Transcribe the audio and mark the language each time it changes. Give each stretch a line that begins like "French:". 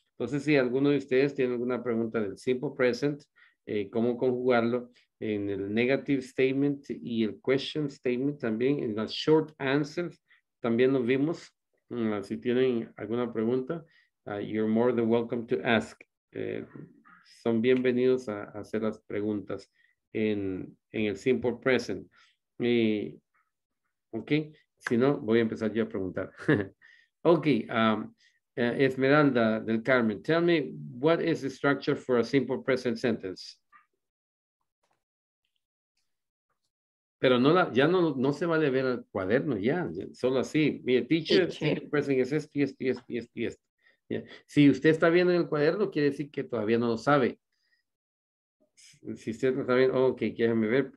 Spanish: Entonces, si alguno de ustedes tiene alguna pregunta del simple present, cómo conjugarlo en el negative statement y el question statement también, en las short answers, también nos vimos. Si tienen alguna pregunta,
English: you're more than welcome to ask.
Spanish: Son bienvenidos a hacer las preguntas en el simple present. Y, ok, si no, voy a empezar yo a preguntar.
English: Ok, Esmeralda del Carmen, tell me, what is the structure for a simple present sentence?
Spanish: Pero no, ya no se vale ver el cuaderno, ya, solo así. Mire, teacher, simple present es esto, esto. Yeah. Si usted está viendo en el cuaderno, quiere decir que todavía no lo sabe. Si usted no está bien, ok, déjame ver.